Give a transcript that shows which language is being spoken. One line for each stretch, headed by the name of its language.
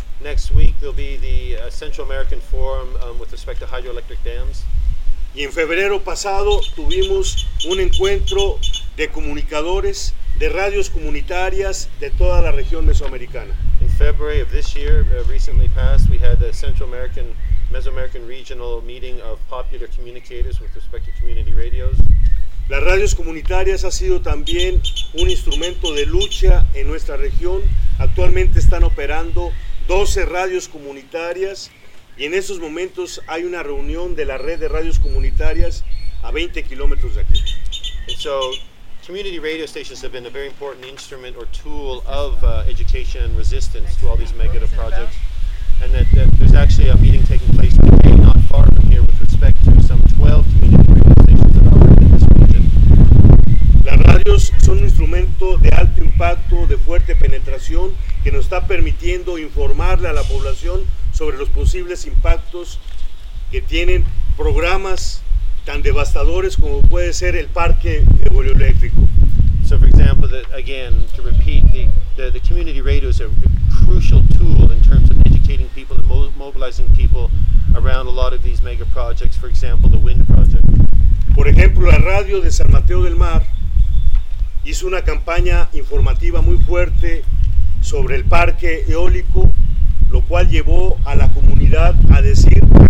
English: Next week there'll be the Central American Forum with respect to hydroelectric dams.
Spanish: Y en febrero pasado tuvimos un encuentro de comunicadores de radios comunitarias de toda la región mesoamericana.
English: In February of this year, recently passed, we had a Central American, Mesoamerican regional meeting of popular communicators with respect to community radios.
Spanish: Las radios comunitarias ha sido también un instrumento de lucha en nuestra región. Actualmente están operando 12 radios comunitarias y en esos momentos hay una reunión de la red de radios comunitarias a 20 kilómetros de aquí.
English: And so, community radio stations have been a very important instrument or tool of education and resistance to all these megative projects. And that there's actually a meeting taking place today, not far from here, with respect to some 12 community radio stations that are in this region.
Spanish: Las radios son un instrumento de alto impacto, de fuerte penetración, que nos está permitiendo informarle a la población sobre los posibles impactos que tienen programas tan devastadores como puede ser el parque eólico.
English: So for example, the community radio is a crucial tool in terms of educating people and mobilizing people around a lot of these mega projects, for example, the wind project.
Spanish: Por ejemplo, la radio de San Mateo del Mar hizo una campaña informativa muy fuerte sobre el parque eólico, lo cual llevó a la comunidad a decir